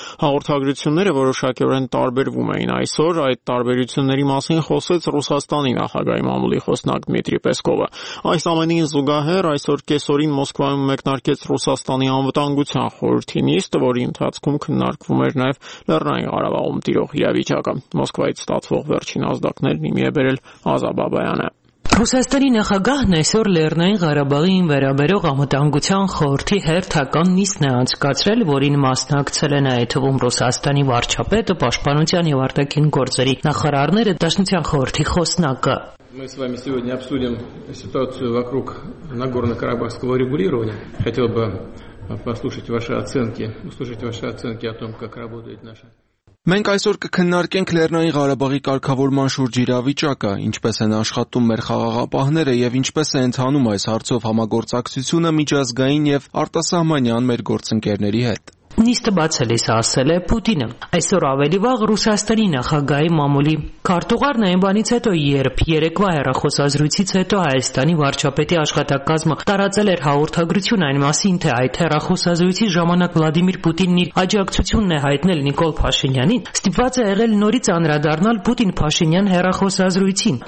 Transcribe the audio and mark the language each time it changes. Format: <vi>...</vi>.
<hy>հաղորդագրությունները որոշակիորեն տարբերվում էին այսօր, այդ տարբերությունների մասին խոսեց Ռուսաստանի նախագահի մամուլի խոսնակ Դմիտրի Պեսկովը։ Այս ամենին զուգահեռ այսօր կեսօրին Մոսկվայում մեկնարկեց Ռուսաստանի անվտանգության խորհրդի նիստը, որի ընթացքում քննարկվում էր նաև Լեռնային Ղարաբաղում տիրող իրավիճակը։ Մոսկվայից ստացվող վերջին ազդակներն իմ է բերել Ազա Բաբայանը։ Ռուսաստանի նախագահն այսօր Լեռնային Ղարաբաղին վերաբերող անվտանգության խորհրդի հերթական նիստն է անցկացրել, որին մասնակցել են այդվում Ռուսաստանի վարչապետը, պաշտպանության և արտաքին գործերի նախարարները, Դաշնության խորհրդի խոսնակը։</hy> <ru>Мы с вами сегодня обсудим ситуацию вокруг Нагорно-Карабахского урегулирования. Хотел бы послушать ваши оценки, о том, как работает наша</ru> <hy>Մենք այսօր կքննարկենք Լեռնային Ղարաբաղի կարգավորման շուրջ իրավիճակը, ինչպես են աշխատում մեր խաղաղապահները և ինչպես է ընթանում այս հարցով համագործակցությունը միջազգային և արտասահմանյան մեր գործընկերների հետ։ Նիստը բացելիս ասել է Պուտինը. Այսօր ավելի վաղ Ռուսաստանի նախագահի մամուլի քարտուղարն այն բանից հետո, երբ երեկվա հեռախոսազրույցից հետո Հայաստանի վարչապետի աշխատակազմը տարածել էր հաղորդագրություն այն մասին, թե այդ հեռախոսազրույցի ժամանակ Վլադիմիր Պուտինն իր աջակցությունն է հայտնել Նիկոլ Փաշինյանին, ստիպված է եղել նորից անդրադառնալ Պուտին-Փաշինյան հեռախոսազրույցին։</hy>